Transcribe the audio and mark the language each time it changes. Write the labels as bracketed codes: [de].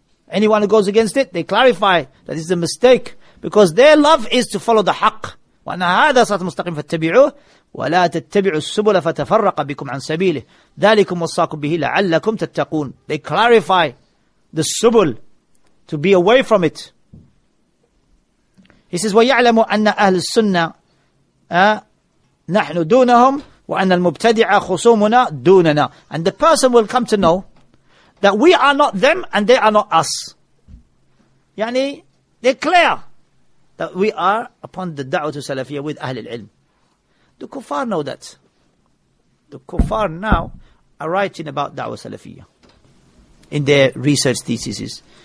[en] Anyone who goes against it, they clarify that this is a mistake because their love is to follow the haqq. [ar] وَأَنَّ هَذَا صَرَاطٌ مُسْتَقِيمٌ فَاتَّبِعُوهُ وَلَا تَتَّبِعُوا السُّبُلَ فَتَفَرَّقَ بِكُمْ عَن سَبِيلِهِ ذَلِكُمْ وَصَّاكُمْ بِهِ لَعَلَّكُمْ تَتَّقُونَ. [en] They clarify the subul to be away from it. He says, [ar] وَيَعْلَمُ أَنَّ أَهْلَ السُّنَّةِ نَحْنُ دُونَهُمْ وَأَنَّ الْمُبْتَدِعَ خُصُومُنَا دُونَنَا. [en] And the person will come to know that we are not them and they are not us. Yani, they're clear that we are upon the da'wah to Salafiyah with Ahlul Ilm. The kuffar know that. The kuffar now are writing about da'wah Salafiyah in their research theses.